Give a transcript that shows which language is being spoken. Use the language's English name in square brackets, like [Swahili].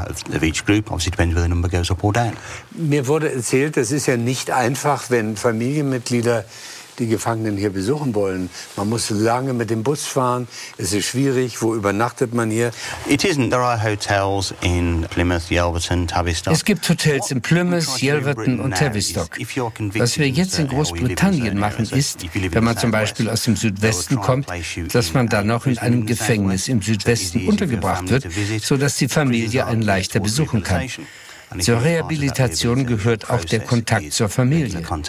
[German] Mir wurde erzählt, es ist ja nicht einfach, wenn Familienmitglieder die Gefangenen hier besuchen wollen. Man muss lange mit dem Bus fahren. Es ist schwierig. Wo übernachtet man hier? [English] It isn't. There are hotels in Plymouth, Yelverton, Tavistock. [German] Es gibt Hotels in Plymouth, Yelverton und Tavistock. Was wir jetzt in Großbritannien machen, ist, wenn man zum Beispiel aus dem Südwesten kommt, dass man dann auch in einem Gefängnis im Südwesten untergebracht wird, sodass die Familie einen leichter besuchen kann. Zur Rehabilitation gehört auch der Kontakt zur Familie.